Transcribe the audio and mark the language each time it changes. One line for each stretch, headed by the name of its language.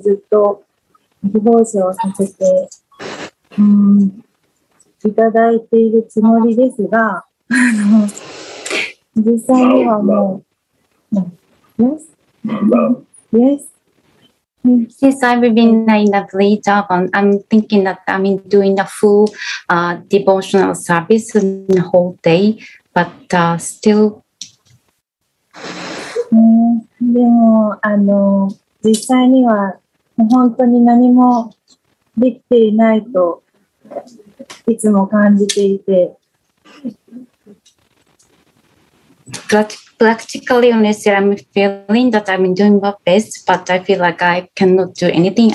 Japanese: ご奉仕をさせて、いただいているつもりですが、実際にはもう、
English: Yes? Yes? Yes, I've been in a great job. I'm thinking that I'm doing a full devotional service the whole day, but still.
Japanese: でも、実際には、本当に何もできていないといつも感じていて。
English: Practically, honestly, I'm feeling that I'm doing my best, but I feel like I cannot do anything.